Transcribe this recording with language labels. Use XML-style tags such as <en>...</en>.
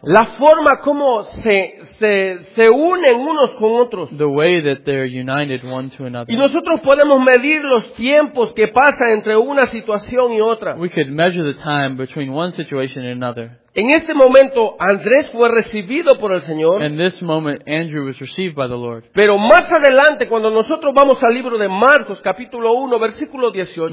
<es>La forma como se unen unos con otros.</es> <en>The way that they're united one to another.</en> <es>Y nosotros podemos medir los tiempos que pasan entre una situación y otra.</es> <en>We could measure the time between one situation and another.</en> <es>En este momento Andrés fue recibido por el Señor.</es> <en>In this moment Andrew was received by the Lord.</en> <es>Pero más adelante cuando nosotros vamos al libro de Marcos capítulo 1 versículo 18.</es>